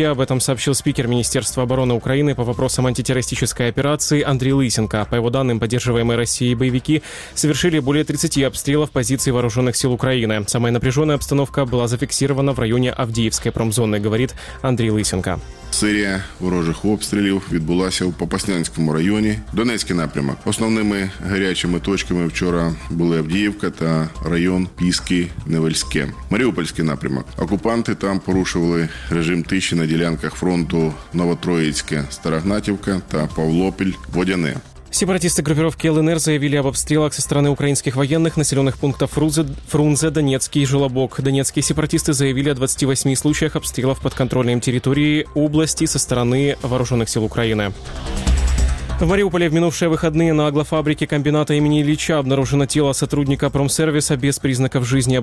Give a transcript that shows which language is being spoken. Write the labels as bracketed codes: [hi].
[ru] Об этом сообщил спикер Министерства обороны Украины по вопросам антитеррористической операции Андрей Лысенко. По его данным, поддерживаемые Россией боевики совершили более 30 обстрелов позиций вооруженных сил Украины. Самая напряженная обстановка была зафиксирована в районе Авдіївської промзони, говорит Андрей Лысенко. [uk] Серія ворожих обстрілів відбулася у Попаснянському районі, Донецький напрямок. Основними гарячими точками вчора були Авдіївка та район Піски-Невельське. Маріупольський напрямок. Окупанти там порушували режим тиші на ділянках фронту Новотроїцьке-Старогнатівка та Павлопіль-Водяне. [ru] Сепаратисты группировки ЛНР заявили об обстрелах со стороны украинских военных населенных пунктов Фрунзе, Донецкий и Желобок. Донецкие сепаратисты заявили о 28 случаях обстрелов подконтрольной им территории области со стороны вооруженных сил Украины. В Мариуполе в минувшие выходные на аглофабрике комбината имени Ильича обнаружено тело сотрудника промсервиса без признаков жизни.